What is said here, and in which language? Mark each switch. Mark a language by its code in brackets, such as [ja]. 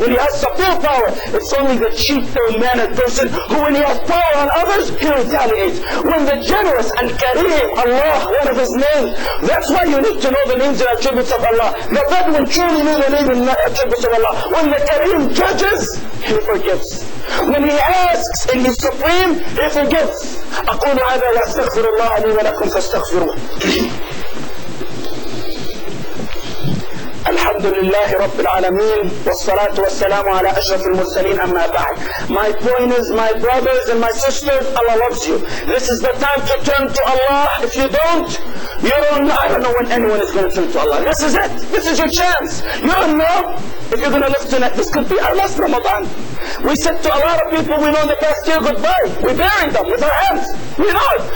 [en] When he has the full power, it's only the cheap, ill-mannered person who, when he has power on others, he retaliates. When the generous and Kareem, Allah, one of his names, that's why you need to know the names and attributes of Allah. The Bedouin truly knew the names and attributes of Allah. When the Kareem judges, he forgives. When he asks and he's supreme, he forgives. [ar] أقول هذا واستغفر الله لي ولكم فاستغفروه. الحمد لله رب العالمين والصلاة والسلام على أشرف المرسلين أما بعد. [en] My point is, my brothers and my sisters, Allah loves you. This is the time to turn to Allah. If you don't, you don't know. I don't know when anyone is going to turn to Allah. This is it. This is your chance. You don't know if you're going to live tonight. This could be our last Ramadan. We said to a lot of people we know in the past year goodbye. We buried them with our hands. We know.